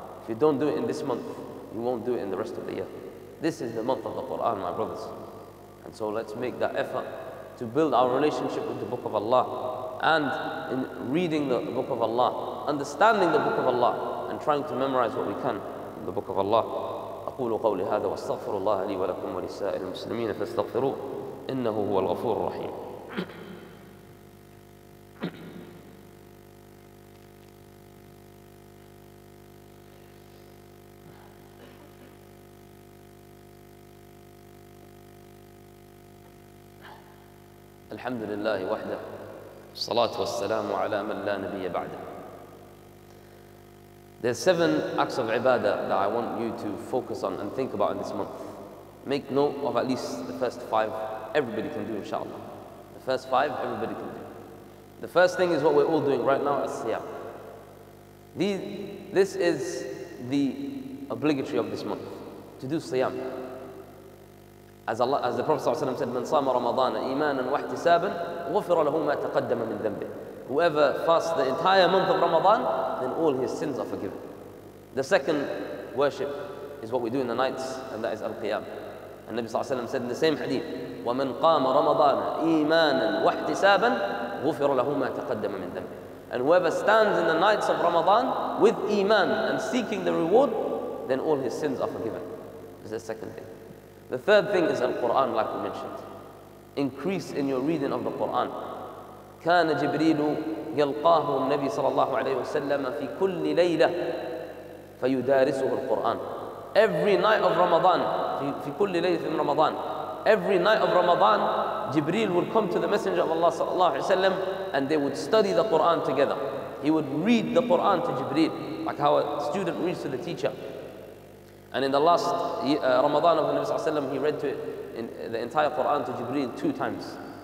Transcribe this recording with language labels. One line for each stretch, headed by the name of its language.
English: If you don't do it in this month, you won't do it in the rest of the year. This is the month of the Quran, my brothers. And so let's make that effort to build our relationship with the book of Allah. And in reading the book of Allah, understanding the book of Allah, and trying to memorize what we can in the book of Allah.
Arabic: أقول قولي هذا واستغفر الله لي ولكم ولسائر المسلمين فاستغفروه إنه هو الغفور الرحيم. الحمد لله وحده، الصلاة والسلام على من لا نبي بعده.
English: There's 7 acts of ibadah that I want you to focus on and think about in this month. Make note of at least the first 5. Everybody can do, inshallah. The first 5, everybody can do. The first thing is what we're all doing right now, as-siyam. This is the obligatory of this month, to do siyam. As the Prophet ﷺ said,
Arabic: من صام رمضان إيمانا واحتسابا غفر له ما تقدم من ذنبه.
English: Whoever fasts the entire month of Ramadan, then all his sins are forgiven. The second worship is what we do in the nights, and that is al-qiyam. And Nabi ﷺ said in the same hadith,
Arabic: وَمَنْ قَامَ رَمَضَانَ إِيمَانًا وَاحْتِسَابًا غُفِرَ لَهُ مَا تَقَدَّمَ مِنْ ذَنْبِهِ.
English: And whoever stands in the nights of Ramadan with iman and seeking the reward, then all his sins are forgiven. This is the second thing. The third thing is al-Qur'an, like we mentioned. Increase in your reading of the Qur'an.
Arabic: كان جبريل يلقاه النبي صلى الله عليه وسلم في كل ليلة فيدارسه القرآن.
English: Every night of Ramadan,
Arabic: في كل ليلة من رمضان.
English: Every night of Ramadan, جبريل would come to the Messenger of Allah صلى الله عليه وسلم and they would study the Quran together. He would read the Quran to جبريل, like how a student reads to the teacher. And in the last Ramadan of the Nabi صلى الله عليه وسلم, he read to it in the entire Quran to جبريل 2 times.